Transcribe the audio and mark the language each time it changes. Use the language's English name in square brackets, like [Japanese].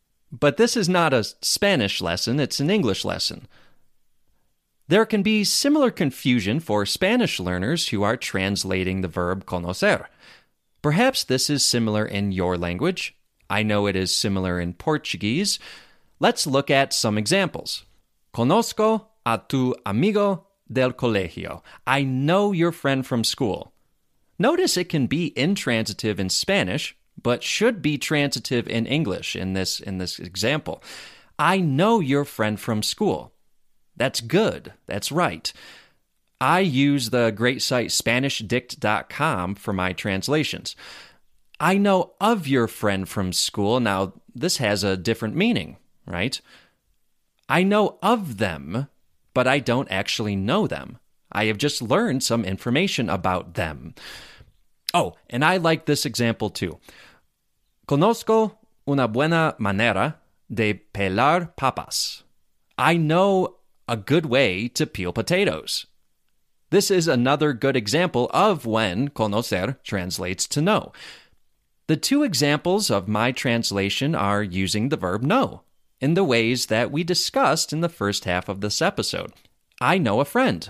[English] But this is not a Spanish lesson, it's an English lesson. There can be similar confusion for Spanish learners who are translating the verb conocer. Perhaps this is similar in your language. I know it is similar in Portuguese. Let's look at some examples. [Spanish] Conozco a tu amigo del colegio. [English] I know your friend from school. Notice it can be intransitive in Spanish, but should be transitive in English in this example. I know your friend from school. That's good. That's right. I use the great site SpanishDict.com for my translations. I know of your friend from school. Now, this has a different meaning, right? I know of them, but I don't actually know them. I have just learned some information about them. Oh, and I like this example too. [Spanish] Conozco una buena manera de pelar papas. [English] I know a good way to peel potatoes. This is another good example of when conocer translates to know. The two examples of my translation are using the verb know in the ways that we discussed in the first half of this episode. I know a friend.